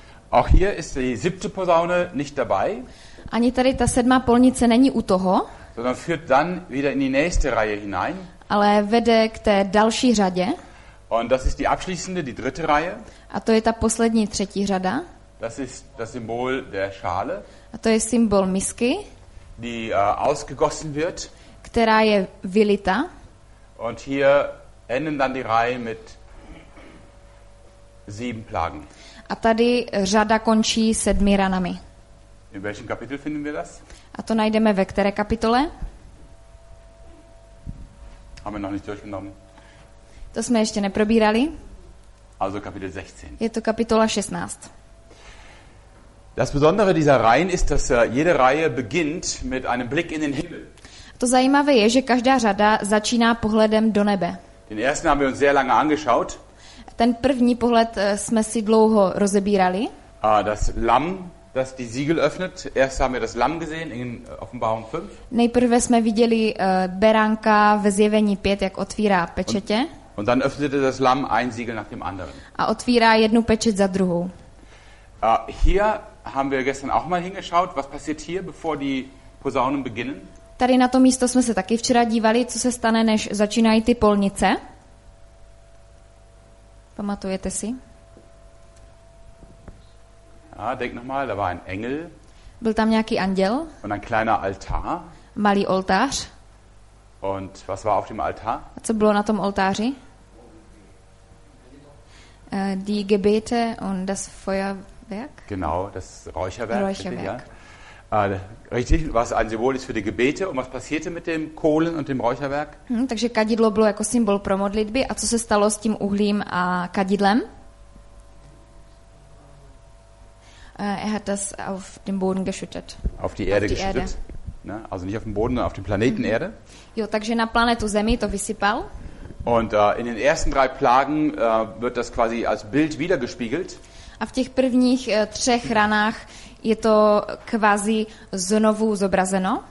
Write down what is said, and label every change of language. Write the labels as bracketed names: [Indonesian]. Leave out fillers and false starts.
[German] Auch hier ist die siebte Posaune nicht dabei. [Czech] Ani tady ta sedmá polnice není u toho. [German] Sondern führt dann wieder in die nächste Reihe hinein. [Czech] Ale vede k té další řadě. [German] Und das ist die abschließende, die dritte Reihe. [Czech] A to je ta poslední, třetí řada. [German] Das ist das Symbol der Schale. [Czech] A to je symbol misky. [German] Die ausgegossen wird. [Czech] Která je vylita. [German] Und hier enden dann die Reihe mit 7 Plagen. [Czech] A tady řada končí 7 ranami. [German] In welchem Kapitel finden wir das? [Czech] A to najdeme ve které kapitole? [German] Haben wir noch nicht durchgenommen. [Czech] To jsme ještě neprobírali. [German] Also Kapitel 16. [Czech] Je to kapitola 16. [German] Das Besondere dieser Reihen ist, dass jede Reihe beginnt mit einem Blick in den Himmel. [Czech] To zajímavé je, že každá řada začíná pohledem do nebe. [German] Den ersten haben wir uns sehr lange angeschaut. [Czech] Ten první pohled jsme si dlouho rozebírali. [German] A das Lamm, das die Siegel öffnet. Erst haben wir das Lamm gesehen in Offenbarung 5. [Czech] Nejprve jsme viděli beránka ve zjevení 5, jak otvírá pečetě. [German] Und dann öffnete das Lamm ein Siegel nach dem anderen. [Czech] A otvírá jednu pečet za druhou. [German] Hier haben wir gestern auch mal hingeschaut, was passiert hier, bevor die Posaunen beginnen. [Czech] Tady na to místo jsme se taky včera dívali, co se stane, než začínají ty polnice. Pamatujete si? [German] Ah, denk nochmal, da war ein Engel. [Czech] Byl tam nějaký anděl. [German] Und ein kleiner Altar. [Czech] Malý oltář. [German] Und was war auf dem Altar? [Czech] A co bylo na tom oltáři? [German] Die Gebete und das Feuerwerk. Genau, das Räucherwerk. Räucherwerk. Bitte, ja. Richtig, was ein Symbol ist für die Gebete und was passierte mit dem Kohlen und dem Räucherwerk? [Czech] Takže kadidlo bylo jako symbol pro modlitby. A co se stalo s tím uhlím a kadidlem? [German] Er hat das auf den Boden geschüttet. Auf die Erde geschüttet. Ne? Also nicht auf den Boden, sondern auf den Planeten Erde. [Czech] Jo, takže na planetu Zemi to vysypal. [German] Und in den ersten drei Plagen wird das quasi als Bild wiedergespiegelt. [Czech] A v těch prvních třech ranách je to quasi znovu zobrazeno.